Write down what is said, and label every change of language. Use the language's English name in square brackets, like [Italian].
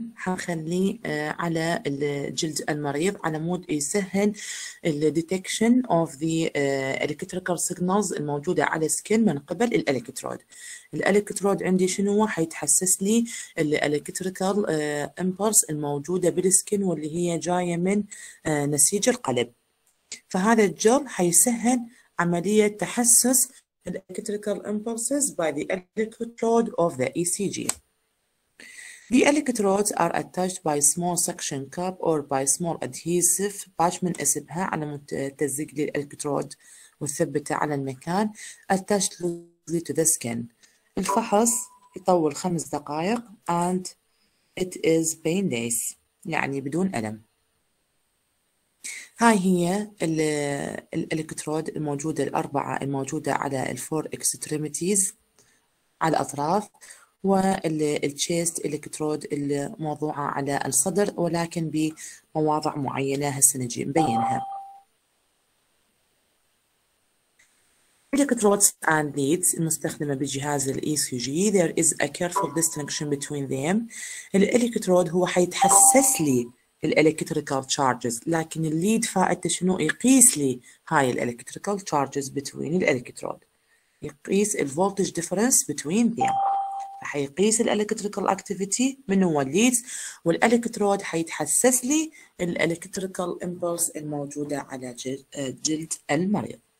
[Arabic] حنخلي على الجلد المريض على مود يسهل ال [English] detection of the electrical signals [Arabic] الموجودة على skin من قبل الالكترود. الالكترود عندي شنو هو؟ حيتحسس لي الالكتريكال امبلس الموجودة بالسكن واللي هي جاية من نسيج القلب. فهذا الجل حيسهل عملية تحسس [English] electrical impulses by the electrode of the ECG. The electrodes are attached by small suction cup or by small adhesive patch [Arabic] من اسمها على متزق للالكترود وثبتة على المكان [English] attached loosely to the skin. [Arabic] الفحص يطول 5 دقائق [English] and it is painless [Arabic] يعني بدون ألم. هاي هي الالكترود الموجودة الأربعة الموجودة على الفور اكستريميتيز على الأطراف، والتشيست الالكترود الموضوعة على الصدر ولكن بمواضع معينة هسه نجي نبينها. [English] Electrodes and leads [Arabic] المستخدمة بجهاز الـ [English] ECG. There is a careful distinction between them. [Arabic] الالكترود هو حيتحسس لي الالكتريكال تشارجز، لكن الليد فائدته شنو؟ يقيس لي هاي الالكتريكال تشارجز بتوين الالكترود، يقيس الفولتج ديفرنس بتوين ذيم. فحيقيس الالكتريكال اكتيفيتي من هو الليدز، والالكترود حيتحسس لي الالكتريكال امبلس الموجوده على جلد المريض.